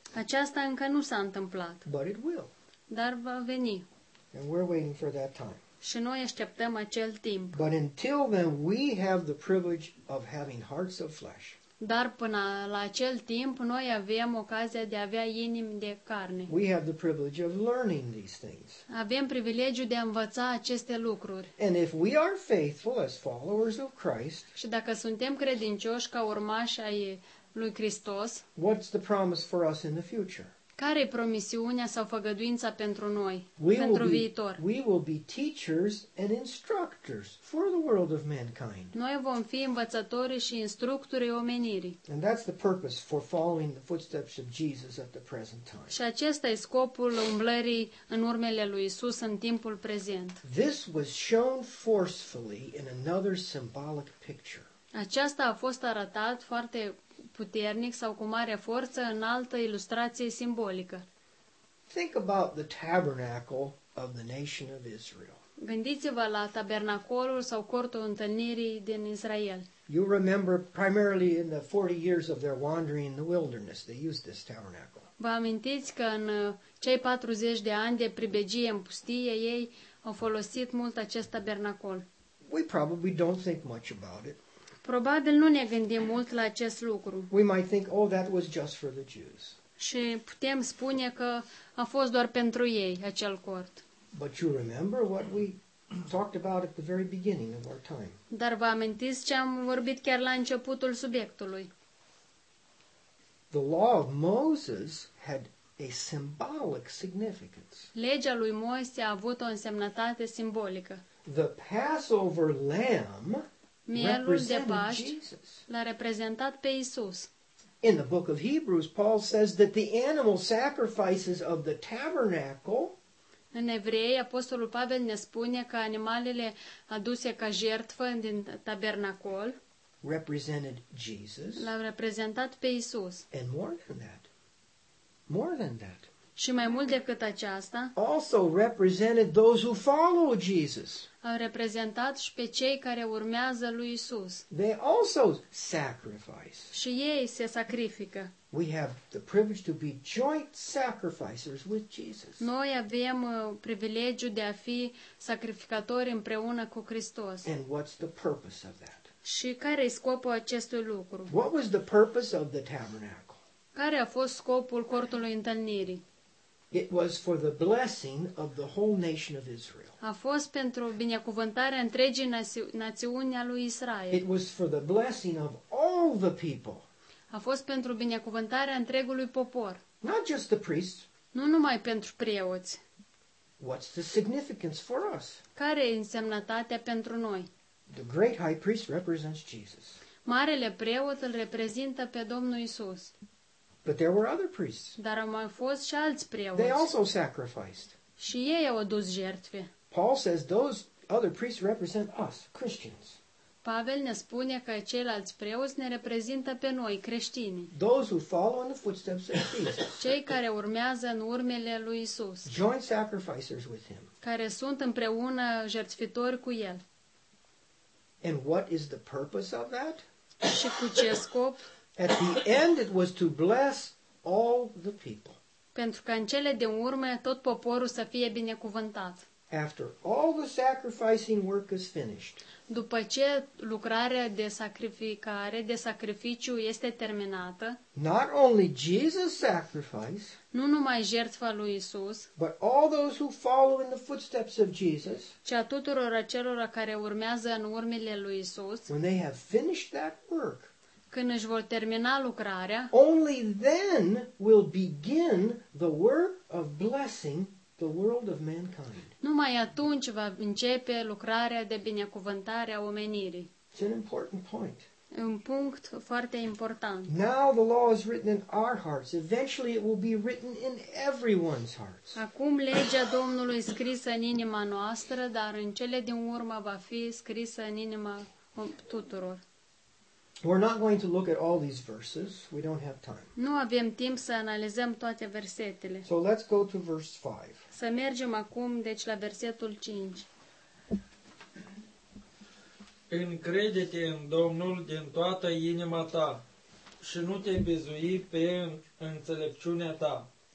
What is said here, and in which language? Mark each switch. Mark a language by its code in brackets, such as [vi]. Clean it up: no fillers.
[ro] Aceasta încă nu s-a întâmplat. [en] But it will. [ro] Dar va veni. [en] And we're waiting for that time. [ro] Și noi așteptăm acel timp. [en] But until then we have the privilege of having hearts of flesh. [ro] Dar până la acel timp noi avem ocazia de a avea inimi de carne. [en] We have the privilege of learning these things. [ro] Avem privilegiu de a învăța aceste lucruri. [en] And if we are faithful as followers of Christ, [ro] și dacă suntem credincioși ca urmași ai lui Hristos, [en] what's the promise for us in the future? [ro] Care e promisiunea sau făgăduința pentru noi, pentru viitor? [en] We will be teachers and instructors for the world of mankind. [ro] Noi vom fi învățători și instructori omenirii. [en] And that's the purpose for following the footsteps of Jesus at the present time. [ro] Și acesta e scopul umblării în urmele lui Isus în timpul prezent. [en] This was shown forcefully in another symbolic picture. [ro] Aceasta a fost arătat foarte puternic sau cu mare forță în altă ilustrație simbolică. [en] Think about the tabernacle of the nation of Israel. [ro] Gândiți-vă la tabernacolul sau cortul întâlnirii din Israel. [en] You remember primarily in the 40 years of their wandering in the wilderness they used this tabernacle. [ro] Vă amintiți că în cei 40 de ani de pribegie în pustie ei au folosit mult acest tabernacol. [en] We probably don't think much about it. [ro] Probabil nu ne gândim mult la acest lucru. [en] We might think, oh, that was just for the Jews. [ro] Și putem spune că a fost doar pentru ei acel cort. [en] But you remember what we talked about at the very beginning of our time. [ro] Dar vă amintiți ce am vorbit chiar la începutul subiectului? [en] The law of Moses had a symbolic significance. [ro] Legea lui Moise a avut o însemnătate simbolică. [en] The Passover lamb, [ro] mielul de Paști, l-a reprezentat pe Isus. [en] In the book of Hebrews, Paul says that the animal sacrifices of the tabernacle, [ro] în Evrei, apostolul Pavel ne spune că animalele aduse ca jertfă din tabernacol [en] represented Jesus. [ro] L-a reprezentat pe Isus. [en] And more than that. More than that. [ro] Și mai mult decât aceasta, [en] also represented those who follow Jesus. [ro] Au reprezentat și pe cei care urmează lui Isus. [en] They also sacrifice. [ro] Și ei se sacrifică. [en] We have the privilege to be joint sacrificers with Jesus. [ro] Noi avem privilegiu de a fi sacrificatori împreună cu Hristos. [en] And what's the purpose of that? [ro] Și care e scopul acestui lucru? [en] What was the purpose of the tabernacle? [ro] Care a fost scopul cortului întâlnirii? [en] It was for the blessing of the whole nation of Israel. [ro] A fost pentru binecuvântarea întregii națiuni a lui Israel. [en] It was for the blessing of all the people. [ro] A fost pentru binecuvântarea întregului popor. [en] Not just the priests. [ro] Nu numai pentru preoți. [en] What's the significance for us? [ro] Care e însemnătatea pentru noi? [en] The great high priest represents Jesus. [ro] Marele preot îl reprezintă pe Domnul Isus. [en] But there were other priests. [ro] Dar au mai fost și alți preoți. [en] They also sacrificed. [ro] Și ei au adus jertfe. [en] Paul says those other priests represent us, Christians. [ro] Pavel ne spune că ceilalți preoți ne reprezintă pe noi, creștinii. [en] Those who follow in the footsteps of Jesus. [ro] Cei care urmează în urmele lui Isus. [en] Joint sacrificers with him. [ro] Care sunt împreună jertfitori cu el. [en] And what is the purpose of that? [ro] Și cu ce scop? [en] At the end it was to bless all the people. [ro] Pentru că în cele din urmă tot poporul să fie binecuvântat. [en] After all the sacrificing work is finished. [ro] După ce lucrarea de sacrificare, de sacrificiu este terminată, [en] not only Jesus' sacrifice, [ro] nu numai jertfa lui Isus, [en] but all those who follow in the footsteps of Jesus, [ro] ci a tuturor acelora care urmează în urmele lui Isus, [en] when they have finished that work, [ro] când își vor termina lucrarea, [en] only then will begin the work of blessing the world of mankind. [ro] Numai atunci va începe lucrarea de binecuvântare a omenirii. [en] It's an important point. [ro] Un punct foarte important. [en] Now the law is written in our hearts. Eventually it will be written in everyone's hearts. [ro] Acum legea Domnului scrisă în inima noastră, dar în cele din urmă va fi scrisă în inima tuturor. [en] We're not going to look at all these verses. We don't have time. [ro] Nu avem timp să analizăm toate versetele. [en] So let's go to verse 5. [ro] Să mergem acum, deci, la versetul 5. Încrede-te în Domnul din toată inima ta și nu te bizui pe înțelepciunea ta.